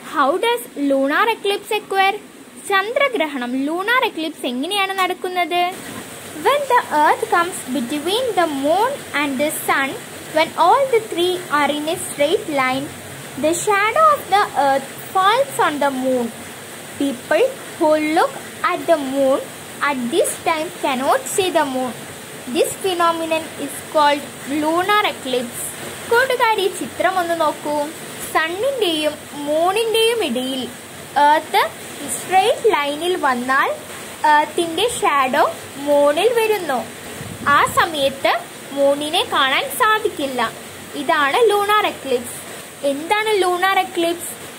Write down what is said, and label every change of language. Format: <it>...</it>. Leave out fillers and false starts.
<en>How does lunar eclipse acquire?</en> <ml>ചന്ദ്രഗ്രഹണം lunar Eclipse എങ്ങനെയാണ് നടക്കുന്നത്?</ml> <en>When the earth comes between the moon and the sun, when all the three are in a straight line, the shadow of the earth falls on the moon. People who look at the moon at this time cannot see the moon. This phenomenon is called lunar eclipse.</en> <ml>കൂട്ടുകാരി, ചിത്രം ഒന്ന് നോക്കൂ. സണ്ണിന്റെയും മൂണിന്റെയും ഇടയിൽ earth straight ലൈനിൽ വന്നാൽ എർത്തിന്റെ shadow മൂണിൽ വരുന്നു. ആ സമയത്ത് മൂണിനെ കാണാൻ സാധിക്കില്ല. ഇതാണ് ലൂണാർ എക്ലിപ്സ്. എന്താണ് ലൂണാർ എക്ലിപ്സ്?</ml>